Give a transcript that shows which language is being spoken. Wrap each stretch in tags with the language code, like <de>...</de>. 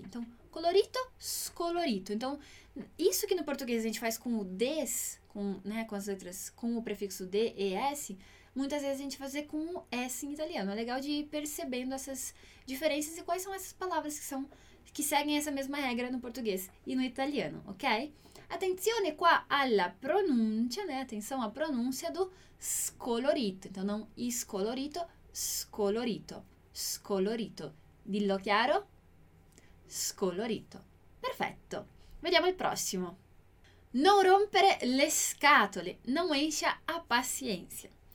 <pt>Então, colorito, scolorito. Então, isso que no português a gente faz com o des, né, com as letras, com o prefixo de e s, muitas vezes a gente vai fazer com o s em italiano. É legal de ir percebendo essas diferenças e quais são essas palavras que seguem essa mesma regra no português e no italiano, ok?</pt> <it>Attenzione qua alla pronuncia, né?</it> <pt>Atenção à pronúncia do scolorito. Então, não scolorito, scolorito.</pt> <it>Scolorito. Dillo chiaro? Scolorito. Perfetto. Vediamo il prossimo. Non rompere le scatole.</it> <pt>Non encha a pazienza.</pt>